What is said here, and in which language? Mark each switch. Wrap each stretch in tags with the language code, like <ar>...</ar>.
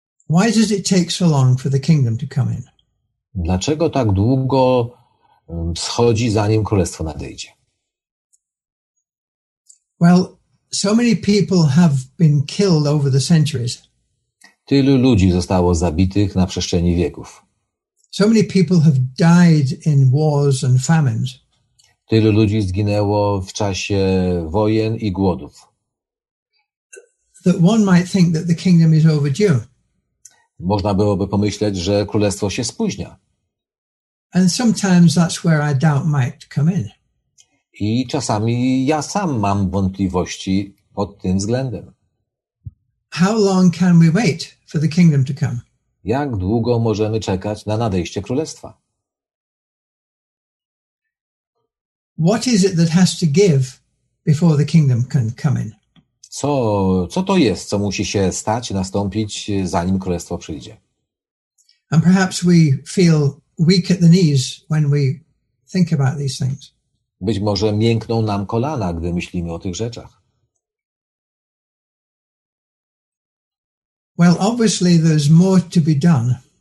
<en>Why does it take so long for the kingdom to come in?</en> <pl>Dlaczego tak długo schodzi, zanim królestwo nadejdzie?</pl> <en>Well, so many people have been killed over the centuries.</en> <pl>Tylu ludzi zostało zabitych na przestrzeni wieków.</pl> <en>So many people have died in wars and famines.</en> <pl>Tylu ludzi zginęło w czasie wojen i głodów.</pl> <en>That one might think that the kingdom is overdue.</en> <pl>Można byłoby pomyśleć, że królestwo się spóźnia.</pl> <en>And sometimes that's where our doubt might come in.</en> <pl>I czasami ja sam mam wątpliwości pod tym względem.</pl> <en>How long can we wait for the kingdom to come?</en> <pl>Jak długo możemy czekać na nadejście królestwa?</pl> <en>What is it that has to give before the kingdom can come in?</en> <pl>Co to jest, co musi się stać, nastąpić, zanim królestwo przyjdzie?</pl> <en>And perhaps we feel weak at the knees when we think about these things.</en> <pl>Być może miękną nam kolana, gdy myślimy o tych rzeczach.</pl> <en>Well, obviously there's more to be done.</en>